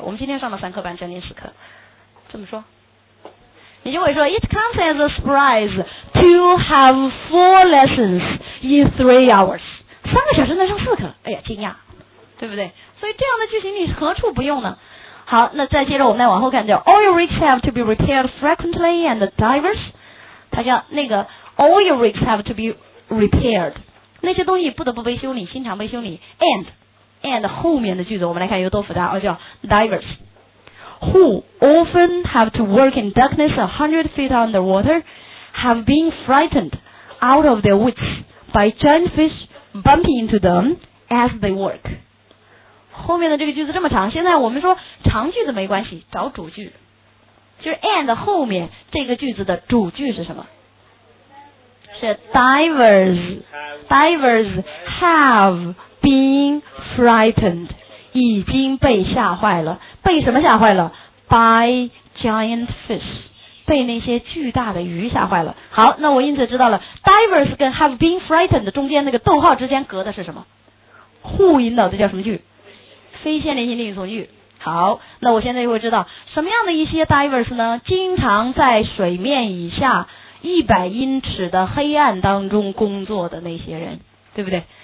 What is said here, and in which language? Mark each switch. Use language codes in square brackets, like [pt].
[zh] 我们今天上了三课班，将近四课，这么说你就会说 [en] It comes as a surprise to have four lessons in three hours， [zh] 三个小时能上四课，哎呀惊讶，对不对？所以这样的句型你何处不用呢？好，那再接着我们再往后看，叫 [en] Oil rigs have to be repaired frequently and divers， [zh] 它叫那个 [en] Oil rigs have to be repaired， [zh] 那些东西不得不维修你，经常维修你。 [en] And [zh] 后面的句子我们来看有多复杂，叫 [en] diversWho often have to work in darkness 100 feet underwater have been frightened out of their wits by giant fish bumping into them as they work。 [zh] 后面的这个句子这么长，现在我们说长句子没关系，找主句，就是 and 后面这个句子的主句是什么？是 [en] divers have been frightened， [zh] 已经被吓坏了。被什么吓坏了？ [en] By giant fish， [zh] 被那些巨大的鱼吓坏了。好，那我因此知道了 divers 跟 have been frightened 中间那个逗号之间隔的是什么，互引导的叫什么句？非线连性定语从句。好，那我现在就会知道什么样的一些 divers 呢，经常在水面以下100英尺的黑暗当中工作的那些人，对不对？